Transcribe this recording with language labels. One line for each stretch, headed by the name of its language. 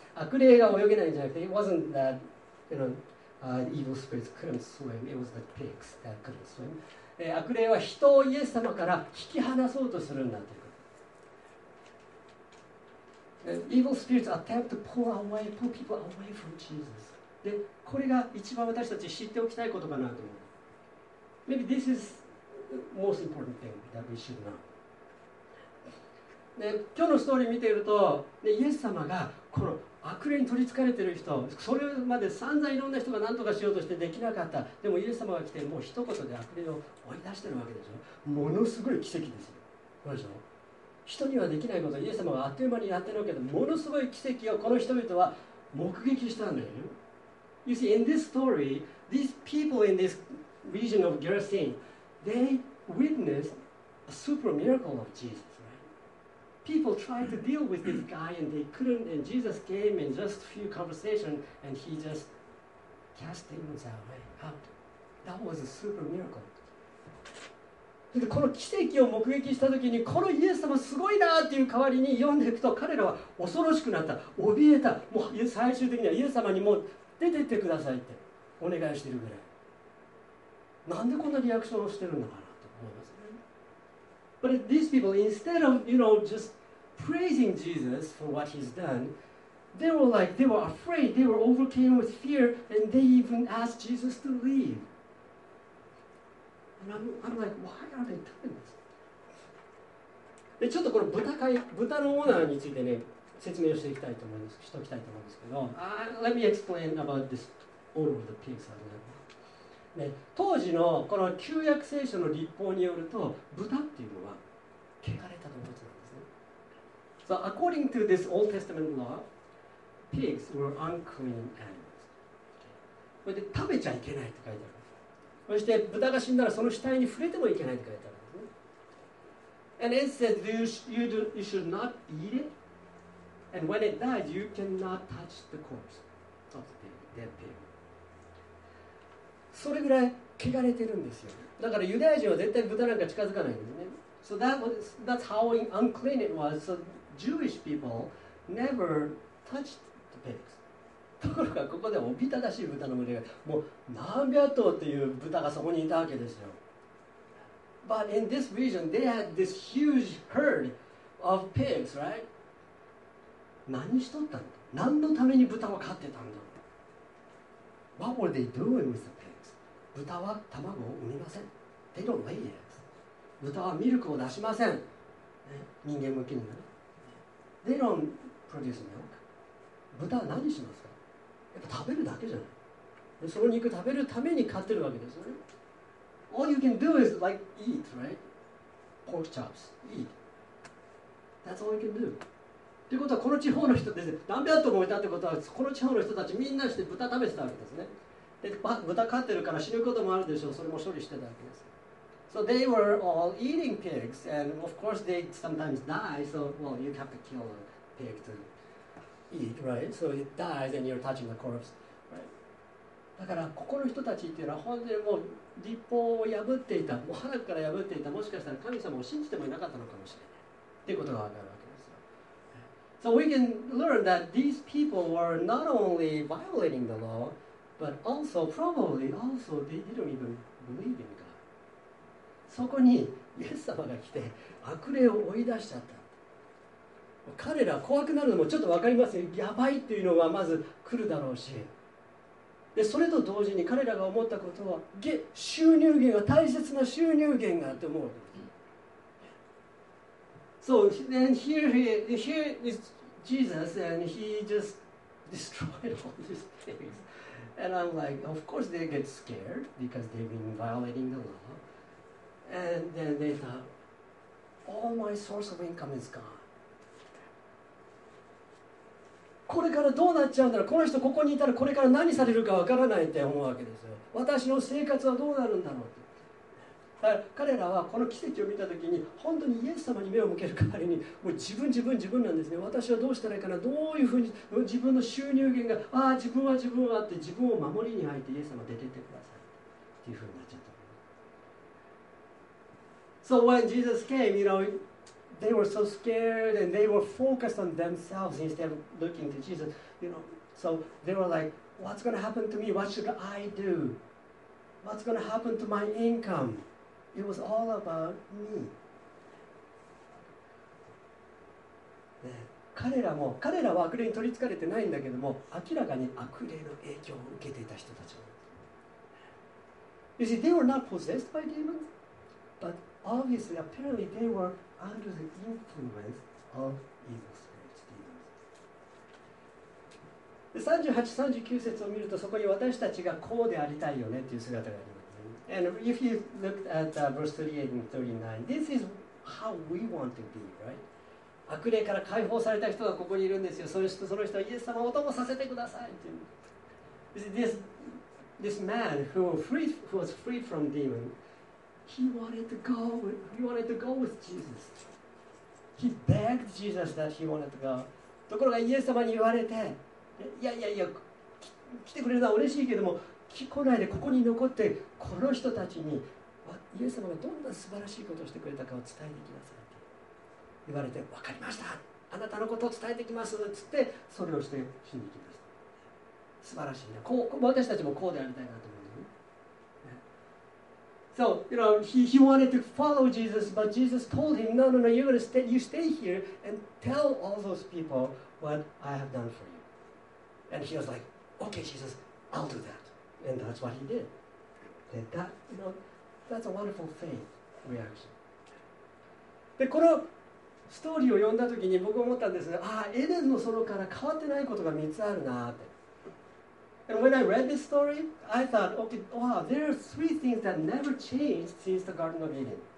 Japanese: 悪霊が泳げないんじゃなくて、
English: it wasn't that, you know, evil spirits couldn't swim, it was the pigs that couldn't swim.
Japanese: 悪霊は人をイエス様から引き離そうとするんだということ。
English: Evil spirits attempt to pull people away from Jesus.
Japanese: で、これが一番私たち知っておきたいことかなと思う。
English: Maybe this is the most important thing that we should know.
Japanese: で、今日のストーリー見ていると、で、イエス様がこの悪霊に取り憑かれている人、それまで散々いろんな人が何とかしようとしてできなかった。でもイエス様が来て、もう一言で悪霊を追い出してるわけでしょ。ものすごい奇跡ですよ。どうでしょう。人にはできないことをイエス様があっという間にやってるわけで、ものすごい奇跡をこの人々は目撃したんだよね。
English: You see, in this story, these people in this region of Gerasene, they witnessed a super miracle of Jesus, right? People tried to deal with this guy and they couldn't, and Jesus came in just a few conversations and he just cast demons away. That was a super miracle.
Japanese: でこの奇跡を目撃したときに、このイエス様すごいなっていう代わりに読んでいくと、彼らは恐ろしくなった、怯えた、もう最終的にはイエス様にもう出てってくださいってお願いしてるぐらい。なんでこんなリアクションをしてるんだかなと思いますね。
English: But these people, instead of, you know, just praising Jesus for what he's done, they were like, they were afraid, they were overcame with fear, and they even asked Jesus to leave. And I'm like, why are they doing this?
Japanese: で、ちょっとこの豚のオーナーについてね、説明をしていきたいと思います。しておきたいと思うんですけど、
English: Let me explain about this owner of the pigs.
Japanese: ね、当時のこの旧約聖書の律法によると、豚っていうのは汚れた動物なんですね。
English: So according to this Old Testament law, pigs were unclean animals.
Japanese: これで食べちゃいけないって書いてある。そして豚が死んだらその死体に触れてもいけないって書いてある。
English: And it said you should not eat it. And when it dies, you cannot touch the corpse of the dead pig.
Japanese: それぐらい汚れてるんですよ。だからユダヤ人は絶対豚なんか近づかないんですね。
English: So that's how unclean it was. So Jewish people never touched the pigs.
Japanese: ところがここでおびただしい豚の群れが、もう何百頭っていう豚がそこにいたわけですよ。
English: But in this region, they had this huge herd of pigs, right?
Japanese: 何しとったんだ、何のために豚を飼ってたんだ。
English: What were they doing with the pigs?
Japanese: 豚は卵を産みません。
English: They don't lay eggs.
Japanese: 豚はミルクを出しません、ね、人間向けにね。
English: They don't produce milk.
Japanese: 豚は何しますか。やっぱ食べるだけじゃない。でその肉食べるために飼ってるわけですよね。
English: All you can do is like eat, right? Pork chops, eat. That's all you can do.
Japanese: ということは、この地方の人です、何百頭もいたってことは、この地方の人たちみんなして豚食べてたわけですね。で、豚飼ってるから死ぬこともあるでしょう、それも処理してたわけです。
English: So they were all eating pigs, and of course they sometimes die, so well, you have to kill a pig to eat, right? So it dies and you're touching the corpse, right?
Japanese: だから、ここの人たちっていうのは本当にもう立法を破っていた、もう早くから破っていた、もしかしたら神様を信じてもいなかったのかもしれないということがわかるわけですよ。
English: So we can learn that these people were not only violating the law, but also probably also they didn't even believe in God.
Japanese: そこにイエス様が来て悪霊を追い出しちゃった。彼ら怖くなるのもちょっとわかりますよ。やばいっていうのがまず来るだろうし、でそれと同時に彼らが思ったことは、収入源は大切な収入源があって思う。
English: So then here is Jesus and he just destroyed all these things. And I'm like, of course they get scared because they've been violating the law. And then they thought, all my source of income is gone.
Japanese: これからどうなっちゃうんだろう、この人ここにいたらこれから何されるかわからないって思うわけですよ。私の生活はどうなるんだろうって。だから彼らはこの奇跡を見たときに本当にイエス様に目を向ける代わりにもう自分自分自分なんですね。私はどうしたらいいかな、どういうふうに自分の収入源が、ああ自分は自分はって自分を守りに入ってイエス様出てってくださいっていうふうになっちゃった。
English: So when Jesus came, you knowthey were so scared and they were focused on themselves instead of looking to Jesus. You know, so they were like, what's going to happen to me? What should I do? What's going to happen to my income? It was all about me.
Japanese: 彼らも、彼らは悪霊に取り憑かれてないんだけども、明らかに悪霊の影響を受けていた人たちも。
English: You see, they were not possessed by demons, but obviously, apparently they wereunder the influence of evil spirits, demons.
Japanese: 38、39節を見ると、そこに私たちがこうでありたいよねっていう姿があります、ね。
English: And if you look at verse 38 and 39, this is how we want to be, right?
Japanese: 悪霊から解放された人がここにいるんですよ。その人はイエス様をお供させてくださいっていう。
English: This man who was freed from demonHe wanted to go with Jesus. He begged Jesus that he wanted to go.
Japanese: ところがイエス様に言われて、いやいやいや、来てくれるのは嬉しいけども、来ないでここに残って、この人たちにイエス様がどんな素晴らしいことをしてくれたかを伝えてきなさいと言われて、わかりました。あなたのことを伝えてきますっつって、それをして死に行きました。素晴らしいな。私たちもこうでありたいなと思う。
English: So, you know, he wanted to follow Jesus, but Jesus told him, no, no, no, you're going to stay here and tell all those people what I have done for you. And he was like, okay, Jesus, I'll do that. And that's what he did. And that, you know, that's a wonderful faith reaction.
Japanese: で、このストーリーを読んだときに僕思ったんですね。ああ、エデンの園から変わってないことが3つあるなって。
English: And when I read this story, I thought, okay, wow, there are three things that never changed since the Garden of Eden.